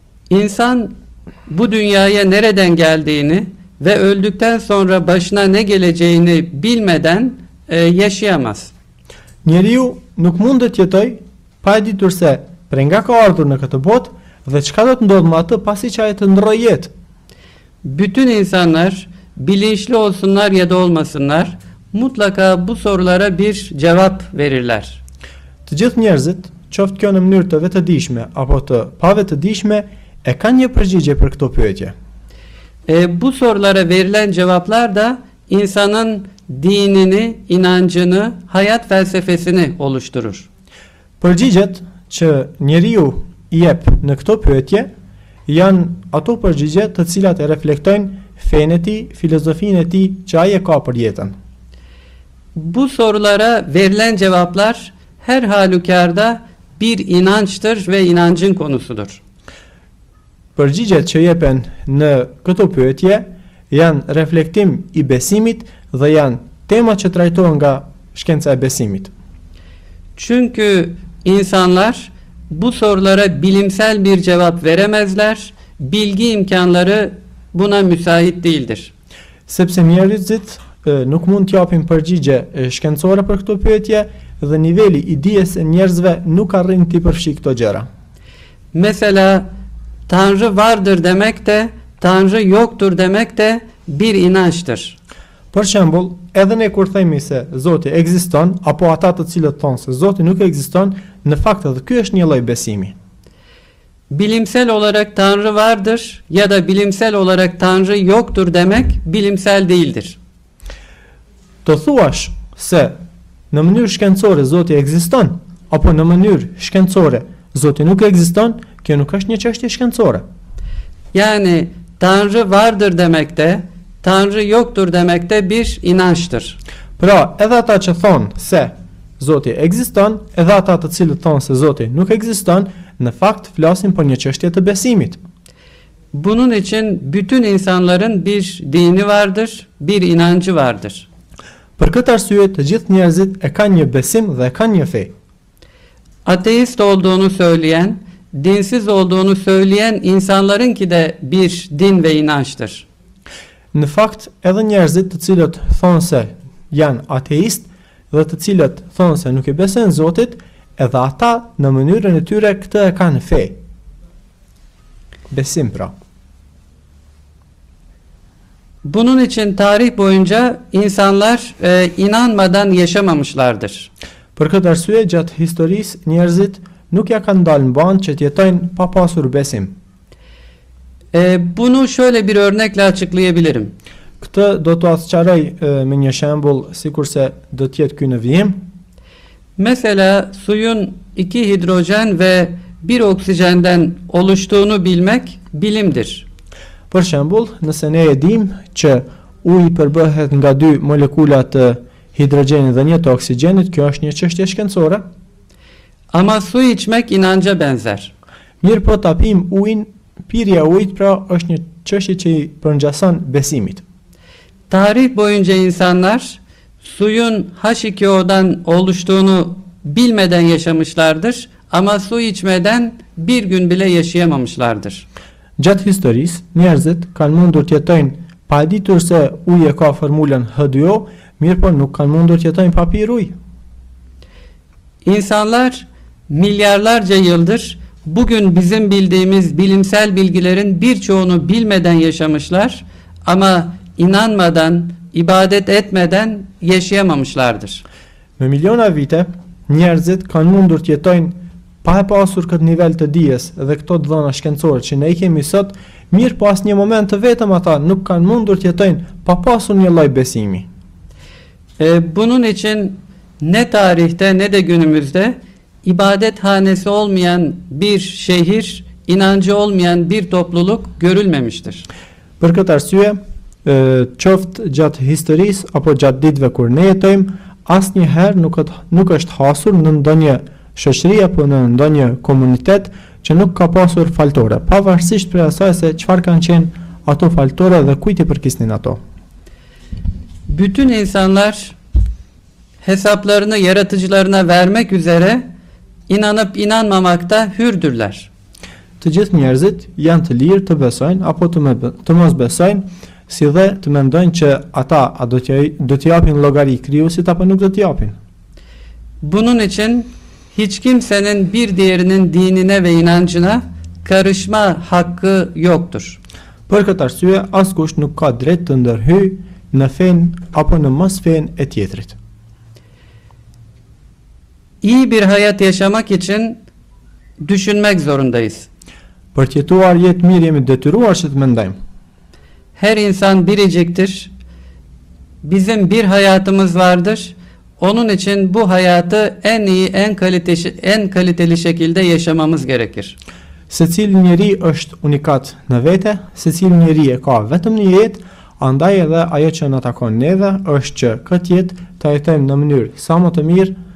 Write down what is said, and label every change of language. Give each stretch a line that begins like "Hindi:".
Turkish: İnsan bu dünyaya nereden geldiğini ve öldükten sonra başına ne geleceğini bilmeden yaşayamaz.
Albanian: Njeriu nuk mundet jetoj pa e ditur se pre nga ka ardhur në këtë botë dhe çka do të ndodhë më atë pasi që ajo të ndrojë jetë.
Turkish: Bütün insanlar bilinçli olsunlar ya da olmasınlar mutlaka bu sorulara bir cevap verirler.
Albanian: Të gjithë njerëzit, qoftë kjo në mënyrë të vetëdijshme apo të pavetëdijshme, e kanë një përgjigje për këto pyetje.
Turkish: Bu sorulara verilen cevaplar da insanın dinini, inancını, hayat felsefesini oluşturur.
Albanian: Përgjigjet që njeriu i jep në këto pyetje janë ato përgjigje të cilat e reflektojnë fenë e tij, filozofinë e tij që ai e ka për jetën.
Turkish: Bu sorulara verilen cevaplar her halükarda bir inançtır ve inancın konusudur.
Albanian: Përgjigjet që jepen në këto pyetje janë reflektim i besimit dhe janë tema që trajtohen nga shkenca e besimit.
Turkish: Çünkü insanlar bu sorulara bilimsel bir cevap veremezler, bilgi imkanları buna müsait değildir.
Albanian: Sepse njerëzit nuk mund t'japin përgjigje shkencore për këto pyetje dhe niveli i dijes e njerëzve nuk arrin t'i përfshi këto gjëra.
Turkish: Mesela Tanrı vardır demek de Tanrı yoktur demek de bir inançtır.
Albanian: Për shembull, edhe ne kur themi se Zoti ekziston apo ata të cilët thonë se Zoti nuk ekziston, në fakt edhe ky është një lloj besimi.
Turkish: Bilimsel olarak Tanrı vardır ya da bilimsel olarak Tanrı yoktur demek bilimsel değildir.
Albanian: Të thuash se në mënyrë shkencore Zoti ekziston apo në mënyrë shkencore Zoti nuk ekziston, kjo nuk është një çështje shkencore.
Turkish: Yani Tanrı vardır demek de Tanrı yoktur demek de bir inançtır.
Albanian: Pra, edhe ata që thonë se Zoti ekziston, edhe ata të cilët thonë se Zoti nuk ekziston, në fakt flasin për një çështje të besimit.
Turkish: Bunun için bütün insanların bir dini vardır, bir inancı vardır.
Albanian: Për këtë arsye të gjithë njerëzit e kanë një besim dhe e kanë një fe.
Turkish: Ateist olduğunu söyleyen, dinsiz olduğunu söyleyen insanların ki de bir din ve inançtır.
Albanian: Në fakt, edhe njerëzit të cilët thonë se janë ateist dhe të cilët thonë se nuk i besojnë Zotit, edhe ata në mënyrën e tyre këtë e kanë fe. Besim pra.
Turkish: Bunun için tarih boyunca insanlar inanmadan yaşamamışlardır.
Albanian: Për këtë arsye gjatë historisë njerëzit nuk ja kanë dalë në banë që të jetojnë pa pasur besim.
Turkish: Bunu şöyle bir örnekle açıklayabilirim.
Albanian: Këtë do të asçaraj me një shembul, si kurse do tjetë kjo në vijim.
Turkish: Mesela suyun iki hidrojen ve bir oksijenden oluştuğunu bilmek bilimdir.
Albanian: Për shembul, nëse ne edhim që uj përbëhet nga dy molekulat të hidrojenit dhe një të oksijenit, kjo është një çështje shkencore.
Turkish: Ama su içmek inanca benzer.
Albanian: Mirë po tapim ujin, pirja ujit pra është një çështje që i përngjason besimit.
Turkish: Tarih boyunca insanlar suyun H2O'dan oluştuğunu bilmeden yaşamışlardır ama su içmeden bir gün bile yaşayamamışlardır.
Albanian: Gjatë historisë, njerëzit kanë mundur të jetojnë pa ditur se uji ka formulën H2O, mirë po nuk kanë mundur të jetojnë pa pirë ujë.
Turkish: İnsanlar milyarlarca yıldır bugün bizim bildiğimiz bilimsel bilgilerin birçoğunu bilmeden yaşamışlar ama inanmadan, ibadet etmeden yaşayamamışlardır.
Albanian: Me miliona vite, njerëzit kanë mundur të jetojnë pa e pasur këtë nivel të dijes dhe këto dhëna shkencore që ne i kemi sot, mirë po asnjë moment të vetëm ata nuk kanë mundur të jetojnë pa pasur një lloj besimi.
Turkish: Bunun için ne tarihte ne de günümüzde ibadet hanesi olmayan bir şehir, inancı olmayan bir topluluk görülmemiştir.
Albanian: Për këtë arsye, çoft gjatë historisë apo gjatë ditëve kur ne jetojmë, asnjëherë nuk është hasur në ndonjë shoqëri apo në ndonjë komunitet që nuk ka pasur faltore, pavarësisht prej asaj se çfarë kanë qenë ato faltore dhe kujt i përkisnin ato.
Turkish: Bütün insanlar hesaplarını yaratıcılarına vermek üzere inanıp inanmamakta hürdürler.
Albanian: Të gjithë njerëzit janë të lirë të besojnë apo të mos besojnë, si dhe të mendojnë që ata do të japin llogari krijuesit apo nuk do të japin.
Turkish: Bunun için hiç kimsenin bir diğerinin dinine ve inancına karışma hakkı yoktur.
Albanian: Për këtë arsye askush nuk ka drejt të ndërhyjë në fen apo në mos fen e tjetrit.
Turkish: İyi bir hayat yaşamak için düşünmek zorundayız.
Albanian: Për të jetuar jetë mirë jemi detyruar që të mendojmë.
Turkish: Her insan biriciktir. Bizim bir hayatımız vardır. Onun için bu hayatı en iyi, en kaliteli şekilde yaşamamız gerekir.
Albanian: Secili njeri është unikat në vete, secili njeri e ka vetëm një jetë, andaj edhe ajo që na takon neve është që këtë jetë ta jetojmë në mënyrë sa më të mirë.